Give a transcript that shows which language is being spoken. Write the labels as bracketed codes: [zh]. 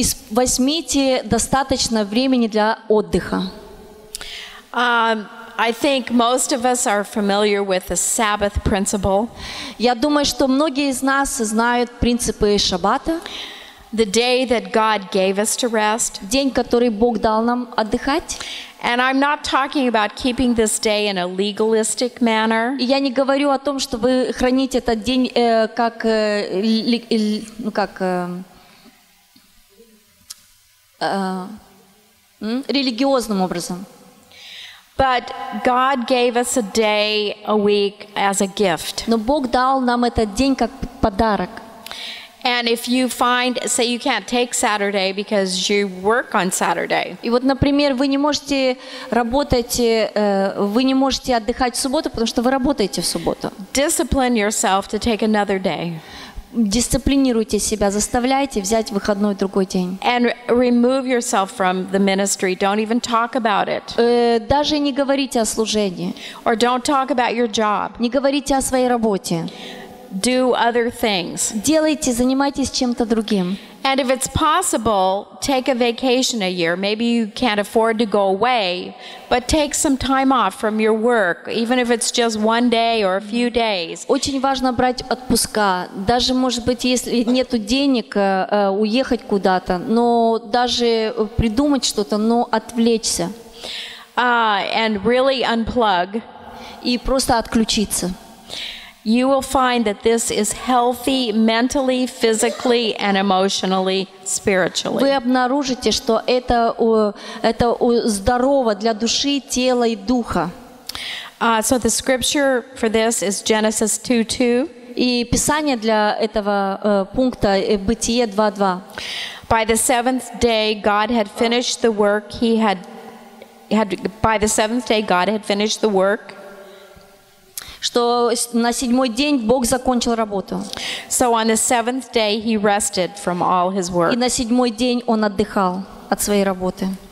[ru] Возьмите достаточно времени для отдыха. [en] I think most of us are familiar with the Sabbath principle. [ru] Я думаю, что многие из нас знают принципы Шаббата. [en] The day that God gave us to rest. [ru] День, который Бог дал нам отдыхать. [en] And I'm not talking about keeping this day in a legalistic manner. [ru] Я не говорю о том, чтобы хранить этот день религиозным образом. [en] But God gave us a day a week as a gift. [ru] Но Бог дал нам этот день как подарок. [en] And if you find, say you can't take Saturday because you work on Saturday. [ru] И вот, например, вы не можете работать, вы не можете отдыхать в субботу, потому что вы работаете в субботу. [en] Discipline yourself to take another day. [ru] Дисциплинируйте себя, заставляйте взять выходной другой день. [en] And remove yourself from the ministry. Don't even talk about it. [ru] Даже не говорите о служении. [en] Or don't talk about your job. [ru] Не говорите о своей работе. [en] Do other things. [ru] Делайте, занимайтесь чем-то другим. [en] And if it's possible, take a vacation a year. Maybe you can't afford to go away, but take some time off from your work, even if it's just one day or a few days. [ru] Очень важно брать отпуска. Даже, может быть, если нету денег, уехать куда-то, но даже придумать что-то, но отвлечься. [en] And really unplug. [ru] И просто отключиться. [en] You will find that this is healthy mentally, physically, and emotionally, spiritually. [ru] Вы обнаружите, что это здорово для души, тела и духа. [en] So the scripture for this is Genesis 2:2. [ru] И писание для этого пункта Бытие 2:2. [en] By the seventh day, God had finished the work He had. By the seventh day, God had finished the work. [ru] Что на седьмой день Бог закончил работу. [en] So on the seventh day he rested from all his work. [ru] И на седьмой день он отдыхал от своей работы.